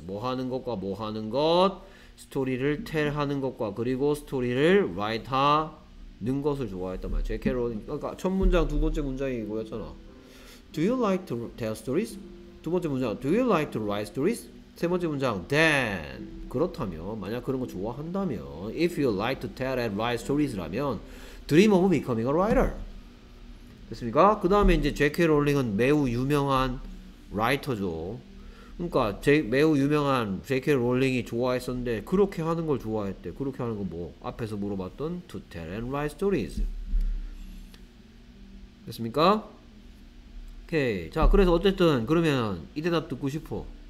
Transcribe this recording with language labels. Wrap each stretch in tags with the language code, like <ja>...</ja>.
<ko>뭐 하는 것과 뭐 하는 것, 스토리를 tell 하는 것과 그리고 스토리를 write 하는 것을 좋아했단 말이야. JK 로닝. 그러니까 첫 문장, 두 번째 문장이 이거였잖아.</ko> <en>Do you like to tell stories?</en> <ko>두 번째 문장.</ko> <en>Do you like to write stories?</en> <ko>세 번째 문장, then. 그렇다면, 만약 그런 거 좋아한다면, if you like to tell and write stories 라면, dream of becoming a writer. 됐습니까? 그 다음에 이제 JK 롤링은 매우 유명한 라이터죠. 그러니까, 매우 유명한 JK 롤링이 좋아했었는데, 그렇게 하는 걸 좋아했대. 그렇게 하는 거 뭐, 앞에서 물어봤던 to tell and write stories. 됐습니까? 오케이. 자, 그래서 어쨌든, 그러면 이 대답 듣고 싶어.</ko>